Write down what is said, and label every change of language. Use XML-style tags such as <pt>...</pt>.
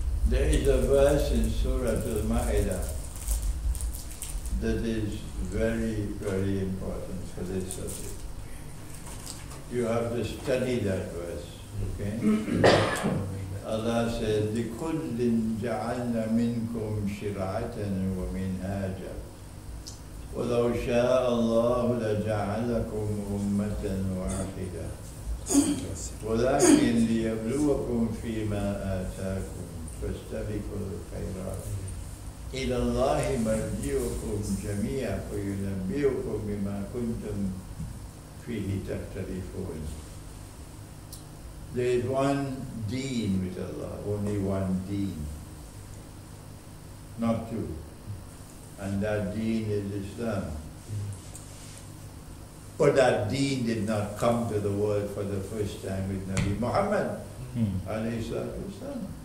<en>There is a verse in Surah Al-Ma'idah that is very, very important for this subject. You have to study that verse, okay?</en> <ar>Allah says, لِكُلِّنْ جَعَلْنَا مِنْكُمْ شِرَعَةً وَمِنْهَاجًا. ولو شاء الله لجعلكم أمة واحدة ولكن ليبلوكم فيما آتاكم فاستبقوا الخيرات إلى الله مرجعكم جميعا فينبئكم بما كنتم فيه تختلفون.</ar> <en>There is one deen with Allah, only one deen, not two. And that deen is Islam. But that deen did not come to the world for the first time with Nabi Muhammad, alayhi salatu wasalam.</en>